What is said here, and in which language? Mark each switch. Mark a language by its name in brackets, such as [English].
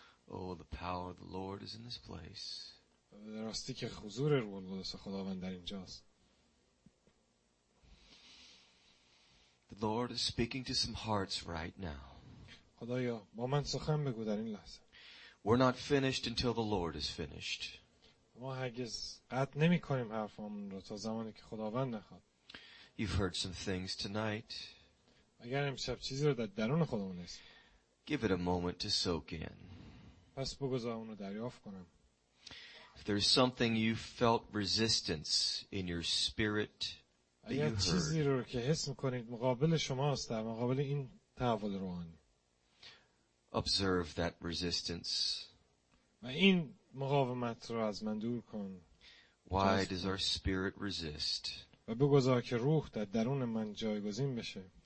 [English] Oh, the power of the Lord is in this place. [Persian] راستی که حضور روح القدس خداوند در اینجاست. [English] The Lord is speaking to some hearts right now. [Persian] خدایا با من سخن بگو در این لحظه. [English] We're not finished until the Lord is finished. [Persian] ما هرگز قطع نمی‌کنیم حرفمون رو تا زمانی که خداوند نخواد. [English] You've heard some things tonight. [Persian] اگر امشب چیزی رو در درون خودمون هست. [English] Give it a moment to soak in. [Persian] پس بگذار اونو دریافت کنم. [English] If there's something you felt resistance in your spirit that you heard. [Persian] اگر چیزی رو که حس میکنید مقابل شماست در مقابل این تحول روحانی. [English] Observe that resistance. [Persian] و این مقاومت رو از من دور کن. [English] Why does our spirit resist? [Persian] و بگذار که روح در درون من جایگزین بشه.